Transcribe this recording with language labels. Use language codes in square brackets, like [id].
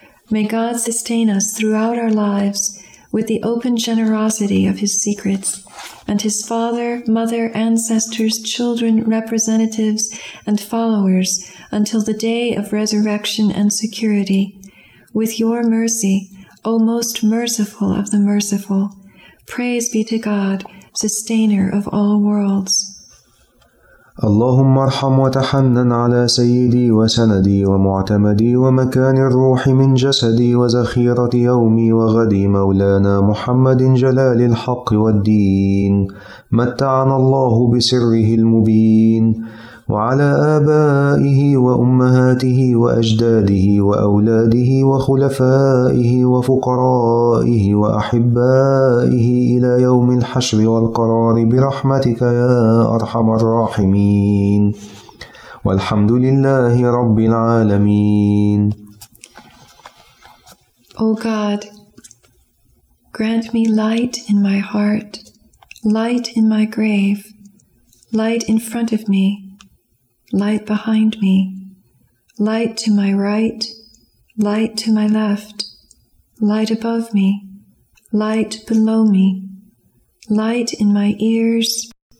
[en] May God sustain us throughout our lives with the open generosity of His secrets, and His father, mother, ancestors, children, representatives, and followers until the day of resurrection and security. With your mercy, O most merciful of the merciful, praise be to God, sustainer of all worlds. [ar] اللهم ارحم وتحنن على سيدي وسندي ومعتمدي ومكان الروح من جسدي وزخيرة يومي وغدي مولانا محمد جلال الحق والدين متعنا الله بسره المبين وعلى آبائه وأمهاته وأجداده وأولاده وخلفائه وفقرائه وأحبائه إلى يوم الحشر والقرار برحمتك يا أرحم الراحمين والحمد لله رب العالمين. [en] O God, grant me light in my heart, light in my grave, light in front of me, light behind me, light to my right, light to my left, light above me, light below me, light in my ears,